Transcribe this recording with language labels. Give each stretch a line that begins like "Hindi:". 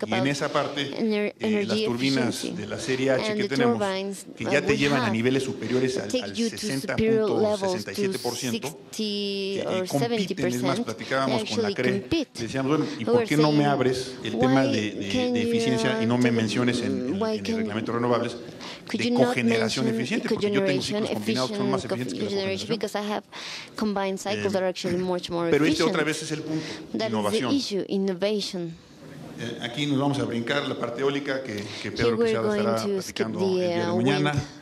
Spanish: Y en esa parte, las turbinas de la serie H que tenemos, que ya te llevan a niveles superiores al 60.67%, compiten, es más, platicábamos con la CRE, decíamos, bueno, ¿y por qué no me abres el tema de eficiencia y no me menciones en el reglamento de renovables de cogeneración eficiente? Porque yo tengo ciclos combinados que son más eficientes que la cogeneración.
English: Because I have combined cycles that are actually much more efficient.
Spanish: Pero este otra vez es el punto, innovación. Aquí nos vamos a brincar la parte eólica que Pedro Quesada estará platicando el día de mañana.